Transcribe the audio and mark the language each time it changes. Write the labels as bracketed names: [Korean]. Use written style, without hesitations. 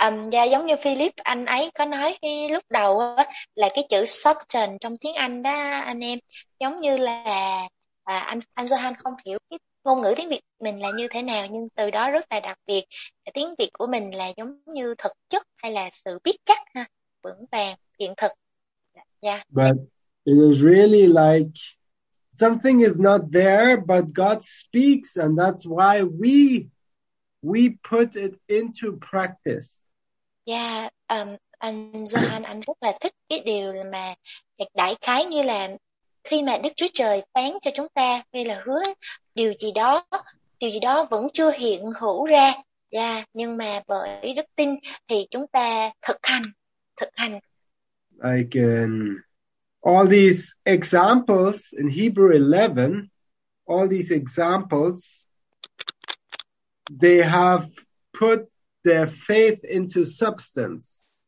[Vietnamese] giống như Philip anh ấy có nói khi lúc đầu á, là cái chữ substance trong tiếng Anh đó anh em, giống như là anh Johan không hiểu cái ngôn ngữ tiếng Việt mình là như thế nào, nhưng từ đó rất là đặc biệt. Tiếng Việt của mình là giống như thực chất hay là sự biết chắc ha, vững vàng, hiện thực. Yeah. [English] But it is really like something is not there, but God speaks, and that's why we put it into practice. [Vietnamese] Yeah, anh Johan anh rất là thích cái điều mà đại khái như là khi mà Đức Chúa Trời phán cho chúng ta hay là hứa điều gì đó vẫn chưa hiện hữu ra, nhưng mà bởi đức tin thì chúng ta thực hành. [English] Like in all these examples in Hebrew 11, all these examples, they have put their faith into substance.